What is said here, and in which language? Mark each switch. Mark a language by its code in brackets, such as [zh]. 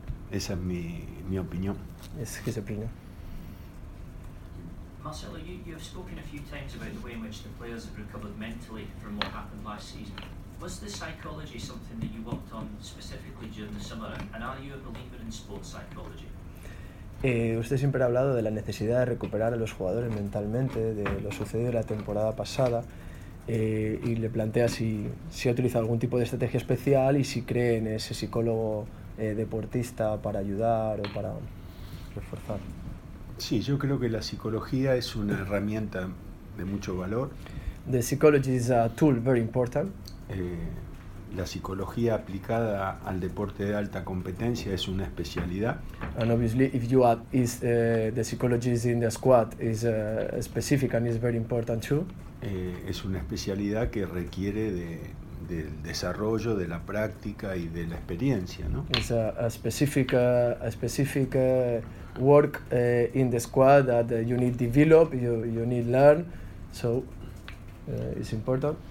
[es] Esa es mi opinión. [en] Es his opinion. Marcelo, you've spoken a few times about the way in which the players have recovered mentally from what happened last season. Was the psychology something that you worked on specifically during the summer, and are you a believer in sports psychology? [es] Usted siempre ha hablado de la necesidad de recuperar a los jugadores mentalmente, de lo sucedido la temporada pasada, y le plantea si ha utilizado algún tipo de estrategia especial y si cree en ese psicólogo deportista para ayudar o para reforzar. Sí, yo creo que la psicología es una herramienta de mucho valor. [en] The psychology is a tool very important. [es] La psicología aplicada al deporte de alta competencia es una especialidad. [en] And obviously, if you add is the psychology is in the squad is specific and is very important too. [es] Es una especialidad que requiere del desarrollo, de la práctica y de la experiencia, ¿no? [en] It's a specific work in the squad that you need develop, you need learn, so it's important.